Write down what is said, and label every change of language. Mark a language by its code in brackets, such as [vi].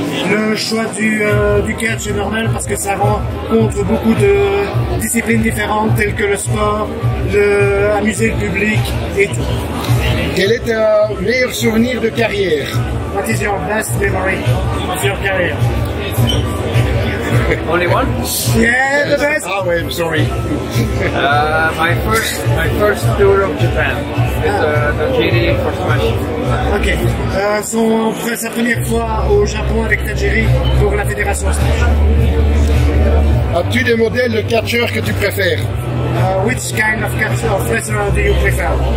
[fr] Le choix du catch est normal parce que ça rencontre beaucoup de disciplines différentes telles que le sport, amuser le public et tout. Quel est ton meilleur souvenir de carrière? [en] What is your best memory of your career? Only one? Yeah, the best! Oh, I'm sorry. My first tour of Japan. The GD for Smash. Ok. [fr] Sa première fois au Japon avec Tajiri pour la Fédération Smash. As-tu des modèles de catcheurs que tu préfères? [en] Which kind of catcher or wrestler do you prefer?